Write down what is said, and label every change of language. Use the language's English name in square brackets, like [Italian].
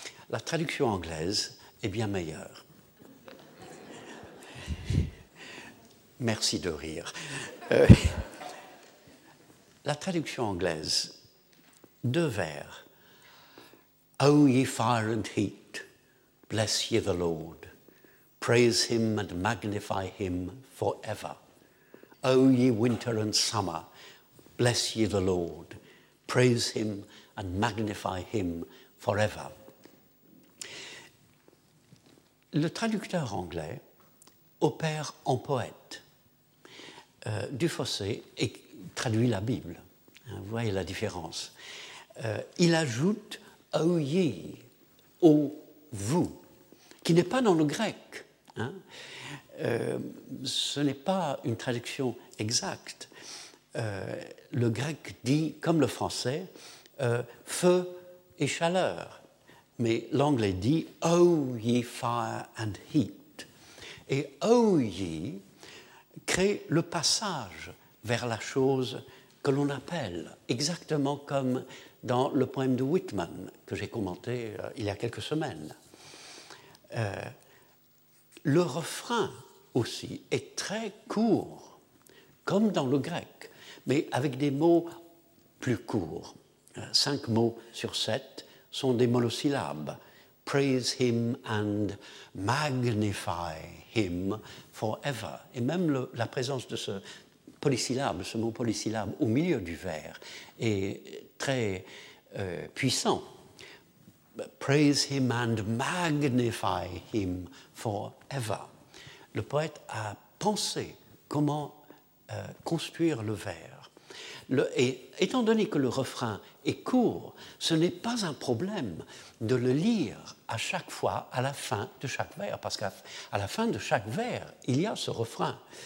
[French] La traduction anglaise est bien meilleure. Merci de rire. La traduction anglaise, deux vers. [English] O ye fire and heat, bless ye the Lord. Praise him and magnify him forever. O ye winter and summer, bless ye the Lord. Praise him and magnify him forever. [French] Le traducteur anglais opère en poète. Dufossé traduit la Bible. Vous voyez la différence. Il ajoute « [English] au ye [French] » au « vous » qui n'est pas dans le grec. Hein. Ce n'est pas une traduction exacte. Le grec dit, comme le français, feu et chaleur. Mais l'anglais dit « [English] au ye fire and heat ». [French] Et « [English] au ye [French] » crée le passage vers la chose que l'on appelle, exactement comme dans le poème de Whitman que j'ai commenté il y a quelques semaines. Le refrain aussi est très court, comme dans le grec, mais avec des mots plus courts. 5 mots sur 7 sont des monosyllabes. [English] Praise him and magnify him forever. [French] Et même la présence de ce polysyllabe, ce mot polysyllabe au milieu du vers est très puissant. [English] Praise him and magnify him forever. [French] Le poète a pensé comment construire le vers. Et étant donné que le refrain est court, ce n'est pas un problème de le lire à chaque fois à la fin de chaque vers, parce qu'à la fin de chaque vers, il y a ce refrain.